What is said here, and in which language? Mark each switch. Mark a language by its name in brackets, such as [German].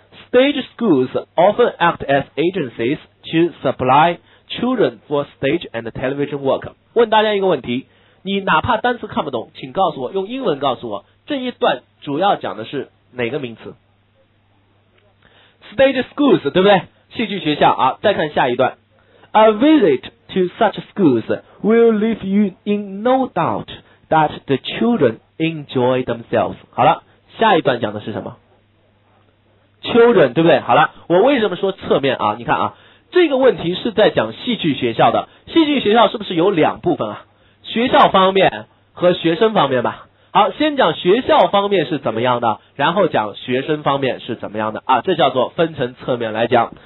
[English] Stage schools often act as agencies to supply children for stage and television work。 [Chinese] 问大家一个问题，你哪怕单词看不懂，请告诉我，用英文告诉我这一段主要讲的是哪个名词。 Stage schools 对不对，戏剧学校啊。 [English] 再看下一段， A visit to such schools will leave you in no doubt that the children enjoy themselves。 [Chinese] 好了，下一段讲的是什么？ Children 对不对？好了，我为什么说侧面啊，你看啊，这个问题是在讲戏剧学校的。戏剧学校是不是有两部分啊，学校方面和学生方面吧。好，先讲学校方面是怎么样的，然后讲学生方面是怎么样的啊，这叫做分成侧面来讲。